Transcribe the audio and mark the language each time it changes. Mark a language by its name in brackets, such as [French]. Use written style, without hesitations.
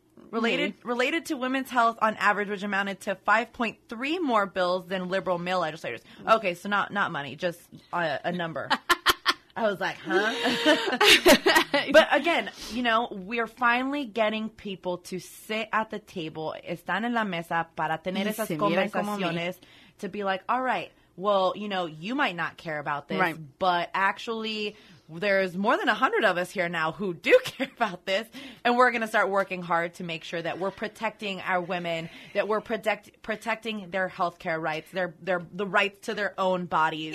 [English] Related to women's health on average, which amounted to 5.3 more bills than liberal male legislators. Okay, so not money, just a number. I was like, huh? But again, you know, we're finally getting people to sit at the table. [Spanish] Están en la mesa para tener esas conversaciones. [English] To be like, all right, well, you know, you might not care about this, right, but actually, there's more than 100 of us here now who do care about this, and we're going to start working hard to make sure that we're protecting our women, that we're protecting their healthcare rights, the rights to their own bodies.